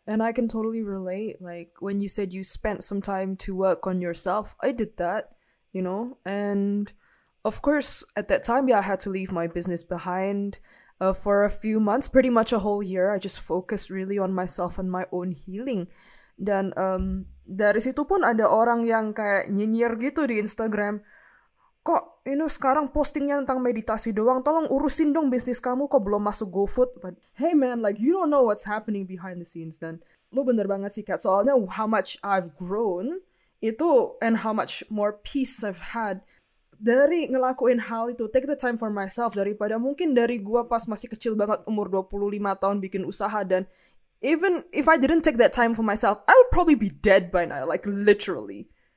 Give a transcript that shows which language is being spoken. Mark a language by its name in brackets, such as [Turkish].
[English] And I can totally relate. Like, when you said you spent some time to work on yourself, I did that, you know? And, of course, at that time, yeah, I had to leave my business behind for a few months, pretty much a whole year. I just focused really on myself and my own healing. [Indonesian] Dan, dari situ pun ada orang yang kayak nyinyir gitu di Instagram. Kok ini sekarang postingnya tentang meditasi doang? Tolong urusin dong bisnis kamu, kok belum masuk GoFood? [English] But hey man, like you don't know what's happening behind the scenes. [Indonesian] Dan lo bener banget sih Kat, soalnya [English] how much I've grown itu and how much more peace I've had [Indonesian] dari ngelakuin hal itu, [English] take the time for myself, [Indonesian] daripada mungkin dari gua pas masih kecil banget umur 25 tahun bikin usaha dan [English] even if I didn't take that time for myself, I would probably be dead by now, like literally.